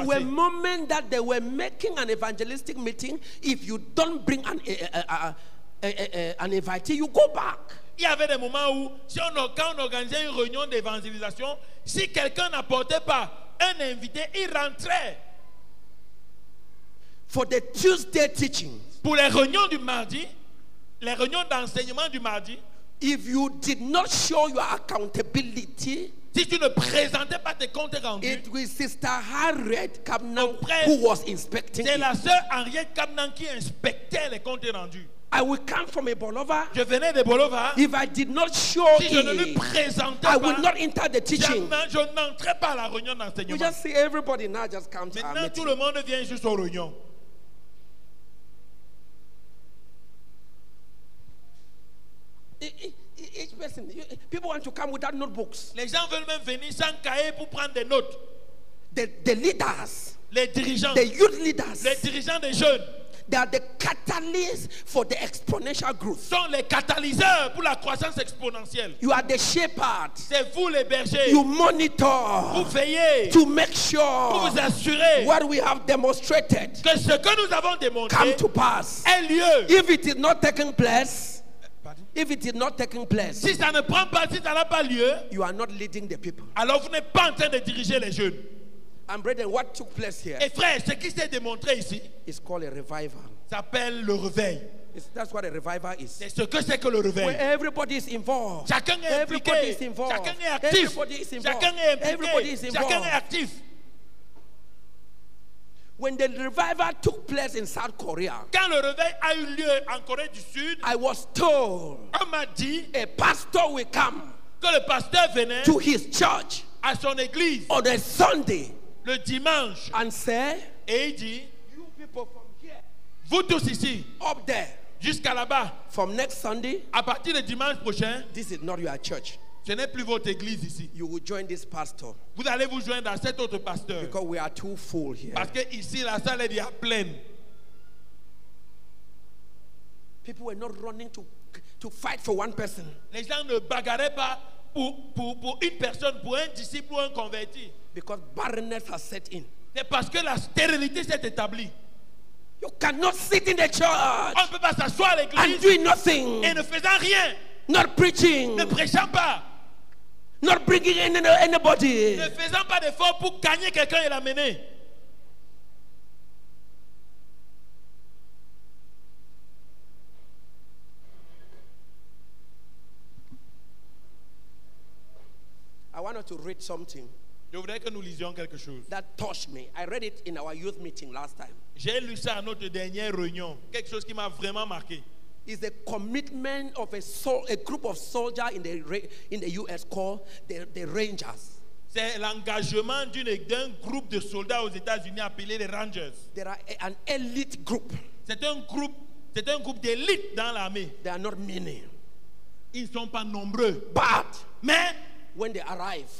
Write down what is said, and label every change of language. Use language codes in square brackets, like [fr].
[en] There were moments that they were making an evangelistic meeting. If you don't bring an invitee, you go back. [fr] Il y avait des moments où, si on, quand on organisait une réunion d'évangélisation, si quelqu'un n'apportait pas un invité, il rentrait. [en] For the Tuesday teaching. [fr] Pour les réunions du mardi, les réunions d'enseignement du mardi. [en] If you did not show your accountability, [fr] si tu ne présentais pas tes comptes rendus, [en] it was Sister Harriet Kamnan who was inspecting. [fr] C'est la sœur Henriette Kamnan qui inspectait les comptes rendus. [en] I will come from a Bolova. [fr] Je venais de Bolova. [en] If I did not show [fr] si je ne lui présentais [en] I I will not enter the teaching. [fr] Je n'entrerai pas à la réunion d'enseignement. [en] You just see everybody now just comes. [fr] Maintenant tout le monde vient juste aux réunions. [en] Each person, people want to come without notebooks. [fr] Les gens veulent même venir sans cahier pour prendre des notes. [en] The leaders. [fr] Les dirigeants. [en] The youth leaders. [fr] Les dirigeants des jeunes. [en] They are the catalyst for the exponential growth. [fr] Sont les catalyseurs pour la croissance exponentielle. [en] You are the shepherd. [fr] C'est vous les bergers. [en] You monitor. [fr] Vous veillez. [en] To make sure. [fr] Pour vous assurer. [en] What we have demonstrated. [fr] Que ce que nous avons démontré. [en] Come to pass. [fr] Ait lieu. [en] If it is not taking place. If it is not taking place. [fr] Si ça ne prend pas, si ça n'a pas lieu. [en] You are not leading the people. [fr] Alors vous n'êtes pas en train de diriger les jeunes. [en] And brethren, what took place here? [fr] Et frère, ce qui s'est démontré ici, [en] is called a revival. [fr] S'appelle le réveil. [en] That's what a revival is. [fr] C'est ce que c'est que le réveil. [en] Where everybody is involved. [fr] Chacun est impliqué. [en] Everybody is involved. [fr] Chacun est actif. [en] Everybody is involved. [fr] Chacun est impliqué. [en] Everybody is involved. [fr] Chacun est actif. [en] When the revival took place in South Korea, [fr] quand le réveil a eu lieu en Corée du Sud, [en] I was told, [fr] on m'a dit, [en] a pastor will come, [fr] que le pasteur venait, [en] to his church, [fr] à son église, [en] on a Sunday. [fr] Le dimanche, [en] and say, [fr] et il dit, [en] you people from here, [fr] vous tous ici, [en] up there, [fr] jusqu'à là-bas, [en] from next Sunday, [fr] à partir de dimanche prochain, [en] this is not your church. [fr] Ce n'est plus votre église ici. [en] You will join this pastor. [fr] Vous allez vous joindre à cet autre pasteur. [en] Because we are too full here. [fr] Parce que ici la salle est déjà pleine. [en] People were not running to fight for one person. [fr] Les gens ne bagarraient pas pour une personne, pour un disciple ou un converti. [en] Because barrenness has set in. [fr] C'est parce que la stérilité s'est établie. [en] You cannot sit in the church. [fr] On ne peut pas s'asseoir à l'église. [en] And doing nothing. [fr] Et ne faisant rien. [en] Not preaching. [fr] Ne prêchant pas. [en] Not bringing in anybody. [fr] Ne faisant pas d'effort pour gagner quelqu'un et l'amener. [en] I wanted to read something. [fr] Je voudrais que nous lisions quelque chose. [en] That touched me. I read it in our youth meeting last time. [fr] J'ai lu ça à notre dernière réunion. Quelque chose qui m'a vraiment marqué. [en] Is the commitment of a group of soldiers in the U.S. called the Rangers. [fr] C'est l'engagement d'un groupe de soldats aux États-Unis appelé les Rangers. [en] They are an elite group. [fr] C'est un groupe d'élite dans l'armée. [en] They are not many. [fr] Ils ne sont pas nombreux. [en] But. [fr] Mais. [en] When they arrive,